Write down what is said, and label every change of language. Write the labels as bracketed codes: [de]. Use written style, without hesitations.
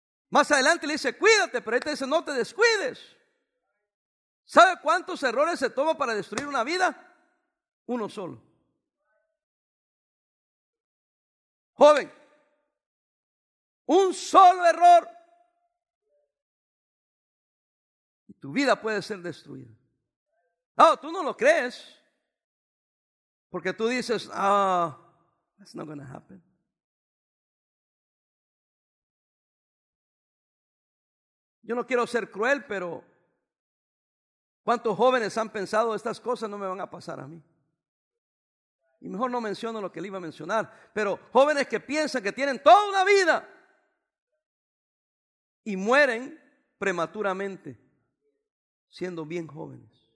[es] Más adelante le dice, cuídate, pero él te dice, no te descuides. ¿Sabe cuántos errores se toma para destruir una vida? Uno solo. Joven, un solo error y tu vida puede ser destruida. Oh, tú no lo crees. Porque tú dices, [en] that's not going to happen. [es] Yo no quiero ser cruel, pero ¿cuántos jóvenes han pensado estas cosas no me van a pasar a mí? Y mejor no menciono lo que le iba a mencionar. Pero jóvenes que piensan que tienen toda una vida y mueren prematuramente siendo bien jóvenes.